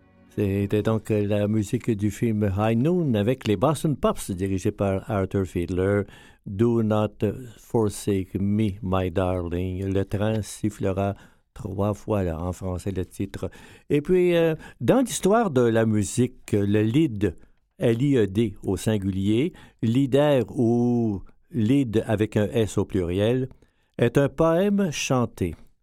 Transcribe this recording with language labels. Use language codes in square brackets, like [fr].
[fr] C'était donc la musique du film High Noon avec les Boston Pops, dirigé par Arthur Fiedler. [en] Do not forsake me, my darling. [fr] Le train sifflera trois fois, là, en français, le titre. Et puis, dans l'histoire de la musique, le lead, L-I-E-D au singulier, leader ou lead avec un S au pluriel, est un poème chanté.